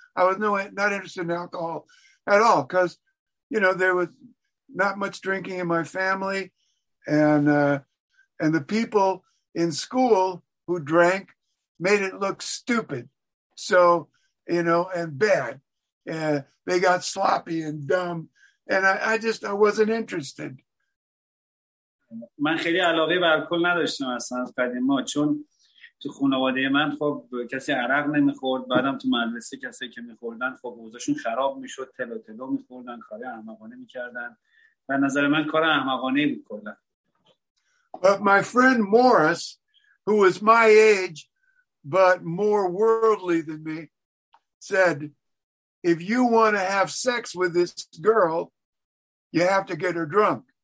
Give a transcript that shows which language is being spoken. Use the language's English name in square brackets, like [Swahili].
[English] I was not interested in alcohol at all because, you know, there was not much drinking in my family, and the people in school who drank made it look stupid, so, you know, and bad. They got sloppy and dumb, and I wasn't interested. [Persian] من خیلی علاقه به الکل نداشتم اصلا از قدیم ما چون تو خانواده من خب کسی عرق نمیخورد بعدم تو مدرسه کسی که میخوردن خب اوضاعشون خراب میشد تلو تلو میخوردن کاری احمقانه میکردن و نظر من کار احمقانه بود کلا. [English] But my friend Morris, who was my age but more worldly than me, said if you want to have sex with this girl you have to get her drunk.